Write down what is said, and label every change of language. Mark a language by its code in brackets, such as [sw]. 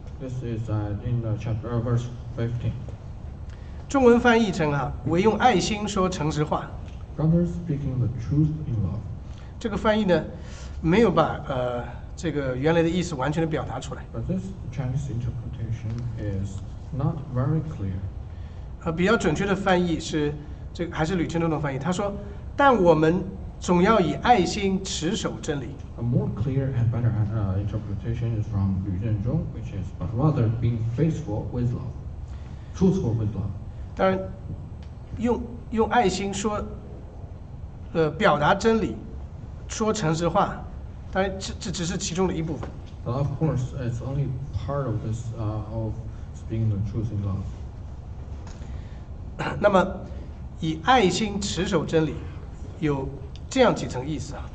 [en] This is in the chapter verse. 15. [zh] 中文翻译成啊，唯用爱心说诚实话。 [en] Brothers speaking the truth in love. [zh] 这个翻译呢，没有把这个原来的意思完全的表达出来。 [en] But this Chinese interpretation is not very clear. [zh] 比较准确的翻译是这个还是吕清忠的翻译，他说，但我们总要以爱心持守真理。 [en] A more clear and better interpretation is from 吕正中 which is but rather being faithful with love. Truthful with love. [zh] 当然用爱心说表达真理说诚实话当然 这只是其中的一部分 [en] But of course it's only part of this of speaking the truth in love [zh] 那么以爱心持守真理有这样几层意思、